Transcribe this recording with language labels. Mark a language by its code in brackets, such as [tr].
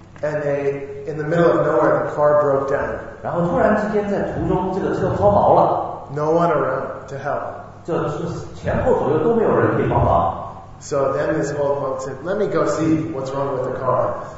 [en] And they, in the middle of nowhere, the car broke down. [zh] 然后突然之间在途中，这个车抛锚了。 [en] No one around to help. [zh] 这前后左右都没有人可以帮忙。 [en] So then this old monk said, "Let me go see what's wrong with the car."